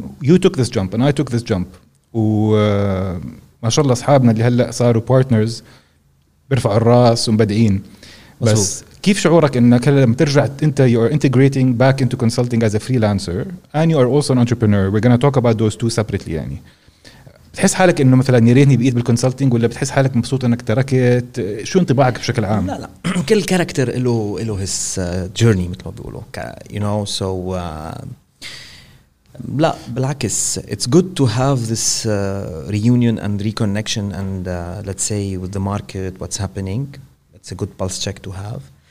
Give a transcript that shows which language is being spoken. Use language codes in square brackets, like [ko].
[en] You took this jump and I took this jump. [ar] و ما ما شاء الله أصحابنا اللي هلأ صاروا بارتنرز بيرفعوا الرأس ومبدعين. بس كيف شعورك إنك لما ترجع أنت [en] you're integrating back into consulting as a freelancer and you are also an entrepreneur, we're gonna talk about those two separately. [ar] يعني بتحس حالك إنه مثلاً يريدني بقيت بالconsulting ولا بتحس حالك مبسوط إنك تركت؟ شو انطباعك بشكل عام؟ لا كل كاركتر إلو [en] his journey [ar] مثل ما بيقولوا, [en] you know. So [ar] لا بالعكس, [en] it's good to have this reunion and reconnection and let's say with the market what's happening, it's a good pulse check to have.